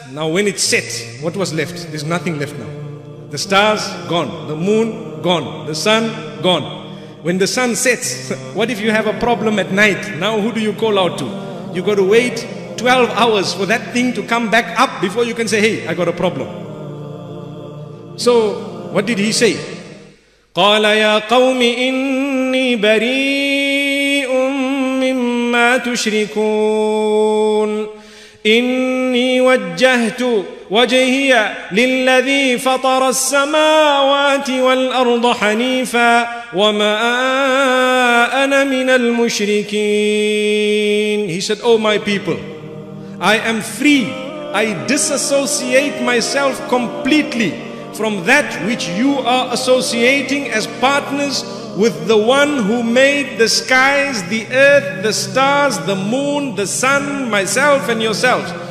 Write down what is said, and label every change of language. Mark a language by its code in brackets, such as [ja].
[en] Now when it set, what was left? There's nothing left now. The stars, gone. The moon, gone. The sun, gone. When the sun sets, what if you have a problem at night? Now who do you call out to? You got to wait 12 hours for that thing to come back up before you can say, hey, I got a problem. So what did he say? [ar] قَالَ يَا قَوْمِ إِنِّي بَرِيءٌ مِّمَّا تُشْرِكُونَ إني وجهت وجهي للذي فطر السماوات والأرض حنيفا وما أنا من المشركين [en] He said, Oh my people, I am free. I disassociate myself completely from that which you are associating as partners with the one who made the skies, the earth, the stars, the moon, the sun, myself and yourselves.